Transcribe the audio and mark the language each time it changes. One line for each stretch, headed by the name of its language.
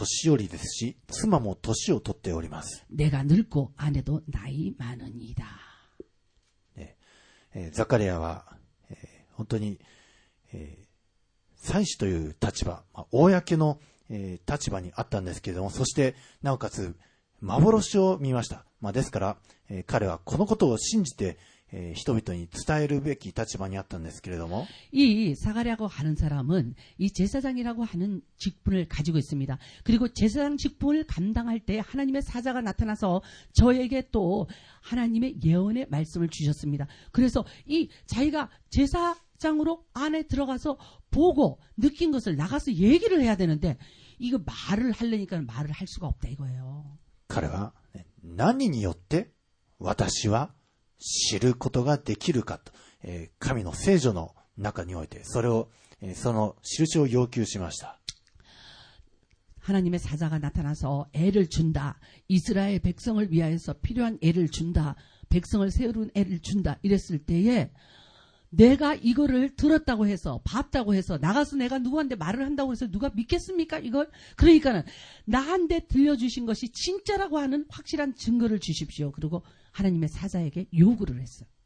Japanese: 私ももう年寄りですし妻も年を取っております.
Korean: 내가 늙고 아내도 나이 많으니다.
Japanese: 네, 자카리아와 本当に祭司という立場、公の 立場にあったんですけれども、そしてなおかつ幻を見ました。ですから彼はこのことを信じて人々に伝えるべき立場にあったんですけれども。
Korean: 이 사가랴라고 하는 사람은 이 제사장이라고 하는 직분을 가지고 있습니다. 그리고 제사장 직분을 감당할 때 하나님의 사자가 나타나서 저에게 또 하나님의 예언의 말씀을 주셨습니다. 그래서 이 자기가 제사장으로 안에 들어가서 보고 느낀 것을 나가서 얘기를 해야 되는데 이거 말을 하려니까 말을 할 수가 없다 이거예요.
Japanese: 그가 何によって私は知ることができるか 神の聖女の中において、それをその印を要求しました。
Korean: 하나님의사자가나타나서애를준다이스라엘백성을위하여서필요한애를준다백성을세우는애를준다이랬을때에내가이거를들었다고해서봤다고해서나가서내가누구한테말을한다고해서누가믿겠습니까이걸그러니까는나한테들려주신것이진짜라고하는확실한증거를주십시오그리고하나님의사자에게요구를했어